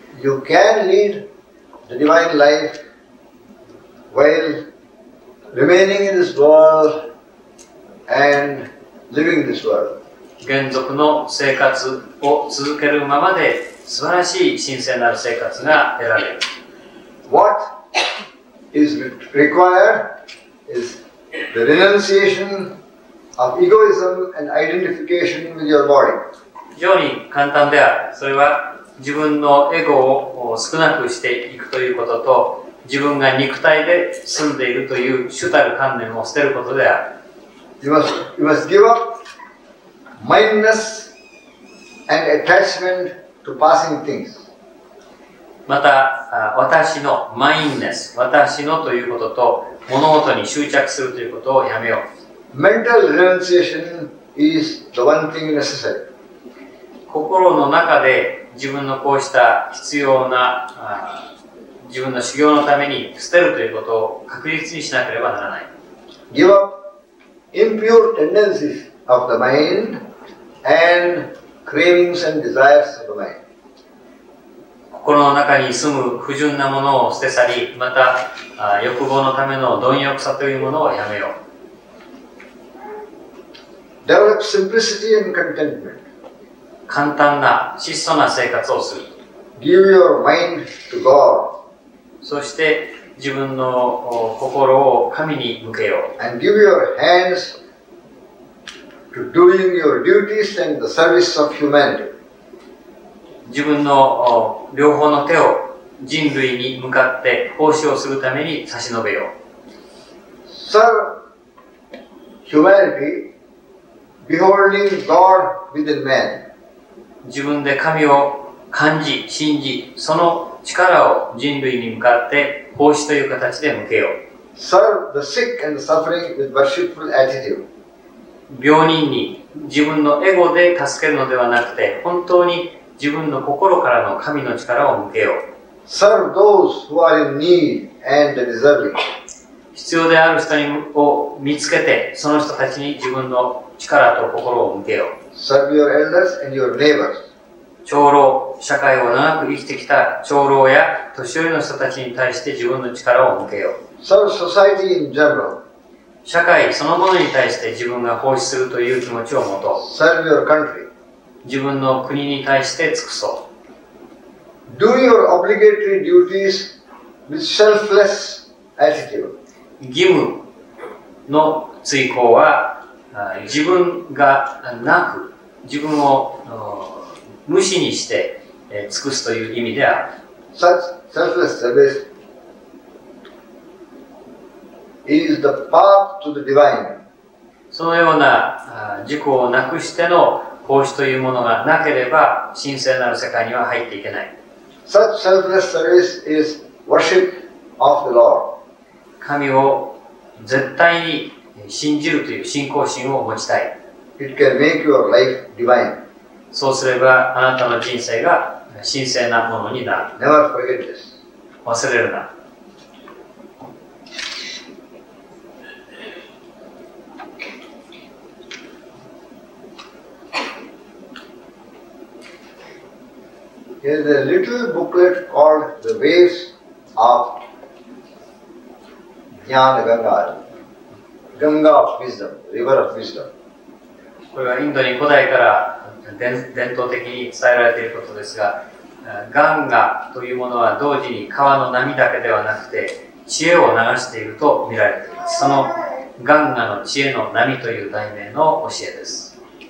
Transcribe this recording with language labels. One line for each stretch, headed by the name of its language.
English: You can leadThe divine life while remaining in this world and living this world.
Japanese: 現属の生活を続けるままで素晴らしい神聖なる生活が得られる。
English: What is required is the renunciation of egoism and identification with your body.
Japanese: 非常に簡単である。それは自分のエゴを少なくしていくということと、自分が肉体で住んでいるという主たる観念を捨てることである。
English: You must give up mindness and attachment to passing things.
Japanese: また私の mindness、 私のということと物事に執着するということをやめよう。
English: Mental renunciation is the one thing necessary.
Japanese: 心の中で自分のこうした必要な自分の修行のために捨てるということを確実にしなければならない。
English: Give up impure tendencies of the mind and cravings and desires of the mind.
Japanese: 心の中に住む不純なものを捨て去り、また欲望のための貪欲さというものをやめよう。
English: develop simplicity and contentment.
Japanese: 簡単な質素な生活をする。
English: Give your mind to God.
Japanese: そして自分の心を神に向けよう。
English: And give your hands to doing your duties and the service of humanity.
Japanese: 自分の両方の手を人類に向かって奉仕をするために差し伸べよう。
English: Serve humanity, beholding God within man.
Japanese: 自分で神を感じ、信じ、その力を人類に向かって奉仕という形で向けよう。
English: Serve the sick and suffering with worshipful attitude.
Japanese: 病人に自分のエゴで助けるのではなくて、本当に自分の心からの神の力を向けよう。
English: Serve those who are in need and deserving.
Japanese: 必要である人を見つけて、その人たちに自分の力と心を向けよう。
English: Serve your elders and your neighbors.
Japanese: 長老、社会を長く生きてきた長老や年寄りの人たちに対して自分の力を向けよう。
English: Serve society in general.
Japanese: 社会そのものに対して自分が奉仕するという気持ちを持とう。
English: Serve your country.
Japanese: 自分の国に対して尽くそう。
English: Do your obligatory duties with selfless attitude.
Japanese: 義務の遂行は自分がなく自分を無視にして尽くすという意味である。
English: Such selfless service is the path to the divine.
Japanese: そのような自己をなくしての奉仕というものがなければ神聖なる世界には入っていけない。
English: Such selfless service is worship of the Lord.
Japanese: 神を絶対に信じるという信仰心を持ちたい。
English: It can make your life divine.
Japanese: そうすればあなたの人生が神聖なものになる。
English: Never forget this.
Japanese: 忘れるな。
English: Here's a little booklet called The Waves of Jnana Ganga. Ganga of wisdom, river of wisdom.
Japanese: これはインドに古代から伝統的に伝えられていることですが、ガンガというものは同時に川の波だけではなくて知恵を流していると見られています。そのガンガの知恵の波という題名の教えです。